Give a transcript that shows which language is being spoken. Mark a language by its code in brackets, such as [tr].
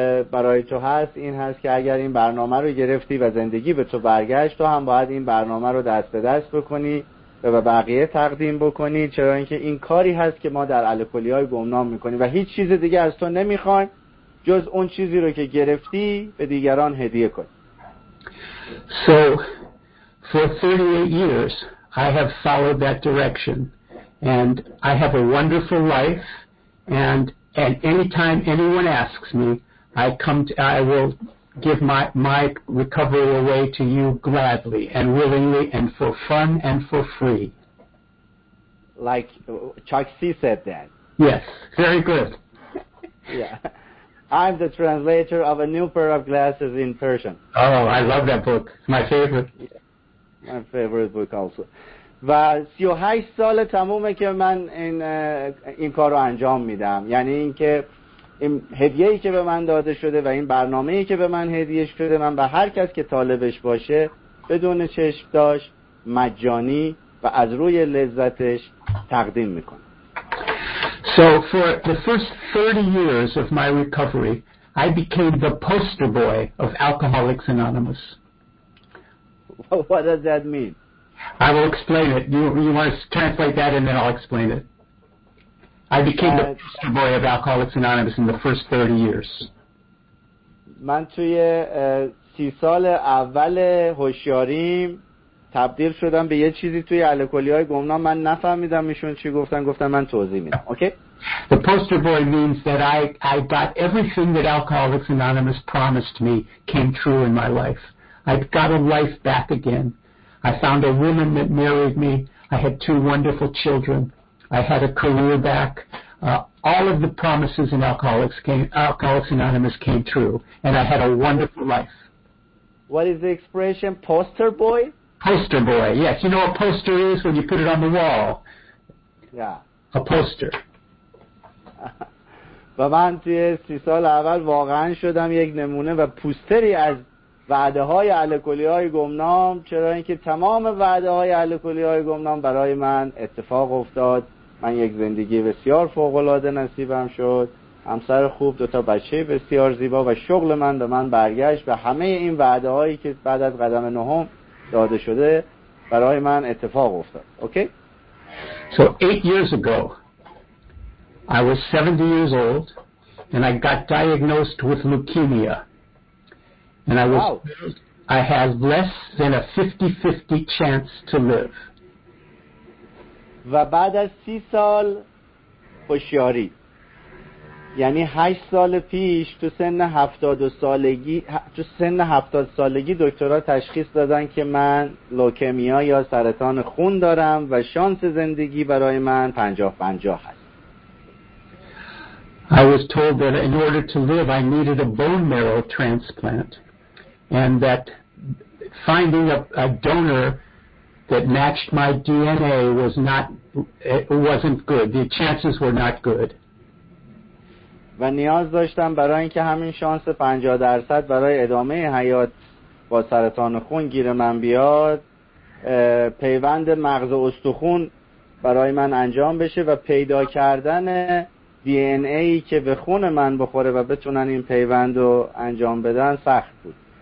[fa] برای تو هست این هست که اگر این برنامه رو گرفتی و زندگی به تو برگشت، تو هم باید این برنامه رو دست به دست بکنی و به بقیه تقدیم بکنی، چرا اینکه این کاری هست که ما در الکلی‌های گمنام می‌کنی و هیچ چیز دیگه از تو نمی‌خوایم جز اون چیزی رو که گرفتی به دیگران هدیه کنی. [en] So for 38 years I have followed that direction and I have a wonderful life and any time anyone asks me, I come to, I will give my recovery away to you gladly and willingly and for fun and for free. Like Chuck C said that. Yes, very good. Yeah. I'm the translator of A New Pair of Glasses in Persian. Oh, I love that book. My favorite. My favorite book also. [fa] و 38 سال تمومه که من این کار رو انجام میدم، یعنی اینکه هدیه‌ای که به من داده شده و این برنامه‌ای که به من هدیه شده، من به هر کس که طالبش باشه بدون چشم داشت مجانی و از روی لذتش تقدیم میکنم. [en] So for the first 30 years of my recovery I became the poster boy of Alcoholics Anonymous. What does that mean? I will explain it. You want to translate that and then I'll explain it. I became the poster boy of Alcoholics Anonymous in the first 30 years. [fa] من توی 30 سال اول هوشیاریم تبدیل شدم به یه چیزی توی الکلی‌های گمنام. من نفهمیدم ایشون چی گفتن، گفتم من توضیح میدم. [en] Okay? The poster boy means that I got everything that Alcoholics Anonymous promised me came true in my life. I got a life back again. I found a woman that married me. I had two wonderful children. I had a career back. All of the promises in Alcoholics Anonymous came true, and I had a wonderful life. What is the expression, poster boy? Poster boy, yes. You know what a poster is when you put it on the wall? Yeah. A poster. [fa] و من توی 30 سال اول واقعا شدم یک نمونه و پوستری از وعده های الکلی های گمنام، چرا اینکه تمام وعده های الکلی های گمنام برای من اتفاق افتاد. من یک زندگی بسیار فوق العاده نصیبم شد، همسر خوب، دوتا بچه بسیار زیبا و شغل من به من برگشت و همه این وعده هایی که بعد از قدم نهم داده شده برای من اتفاق افتاد. [en] Okay? So 8 years ago I was 70 years old and I got diagnosed with leukemia. And I was, I had less than a 50-50 chance to live. [fa] و بعد از 30 سال هوشیاری، یعنی 8 سال پیش تو سن 70 سالگی، تو سن 70 سالگی دکترها تشخیص دادن که من لوکمیا یا سرطان خون دارم و شانس زندگی برای من 50-50 هست. [en] I was told that in order to live I needed a bone marrow transplant. And that finding a donor that matched my DNA was not, it wasn't good. The chances were not good. [fa] و نیاز داشتم برای اینکه همین شانس 50% برای ادامه حیات با سرطان خون گیر من بیاد، پیوند مغز و استخون برای من انجام بشه و پیدا کردن DNA که به خون من بخوره و بتونن این پیوند رو انجام بدن سخت بود.